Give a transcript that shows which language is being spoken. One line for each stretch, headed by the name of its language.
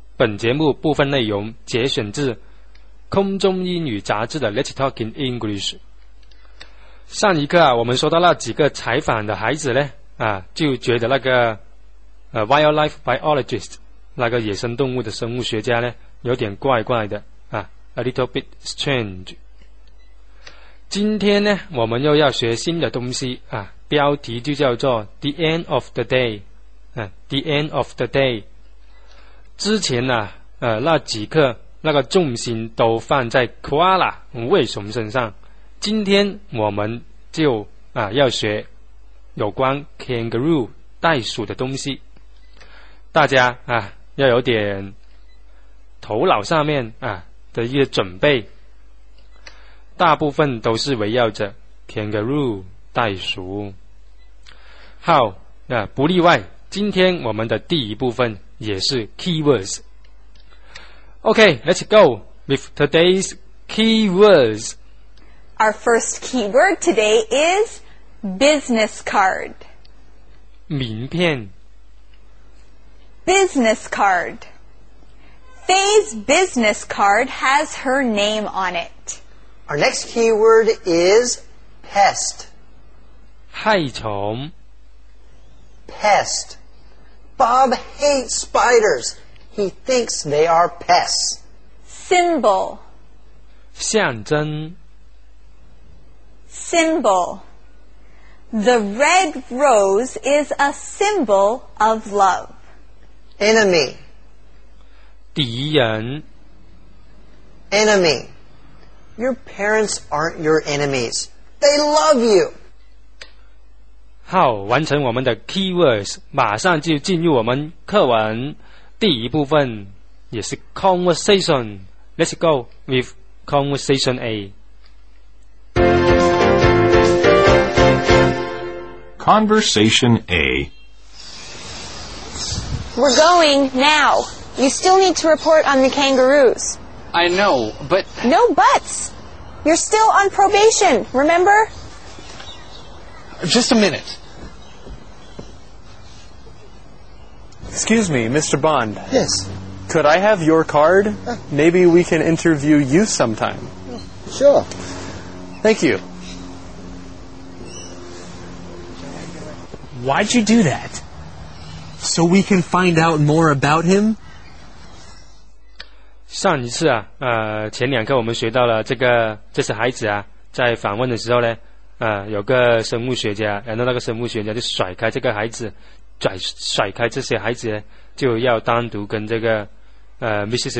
Chinese: 本节目部分内容节选自空中英语杂志的 Let's Talk in English。上一课啊，我们说到那几个采访的孩子呢，啊，就觉得那个wildlife biologist 那个野生动物的生物学家呢，有点怪怪的啊 ， a little bit strange。今天呢，我们又要学新的东西啊，标题就叫做 The End of the Day， 啊 ，The End of the Day。之前呢、啊，那几课那个重心都放在 koala 为什么身上。今天我们就啊要学有关 kangaroo 袋鼠的东西，大家啊要有点头脑上面啊的一个准备，大部分都是围绕着 kangaroo 袋鼠。好，那、啊、不例外，今天我们的第一部分也是 keywords。
English: Okay, let's go with today's keywords. Our first keyword today is business card.
Chinese: 名片
English: Business card. Faye's business card has her name on it. Our next keyword is pest.
Chinese: 害虫
English: Pest. Bob hates spiders. He thinks they are pests. Symbol
Chinese: 象征
English: Symbol. The red rose is a symbol of love. Enemy.
Chinese: 敌人
English: Enemy. Your parents aren't your enemies. They love you.
Chinese: 好，完成我们的 keywords， 马上就进入我们课文第一部分，也是 conversation.
English: Let's go with conversation A. Conversation A. We're going now. You still need to report on the kangaroos. I know, but... No buts! You're still on probation, remember? Just a minute. Excuse me, Mr. Bond. Yes? Could I have your card? Maybe we can interview you sometime. Sure. Thank you. Why'd you do that? So we can find out more about him?
Chinese: 上一次啊，前两课我们学到了这是孩子啊，在访问的时候呢，有个生物学家，然后那个生物学家就甩开这个孩子，甩开这些孩子，就要单独跟这个Mrs.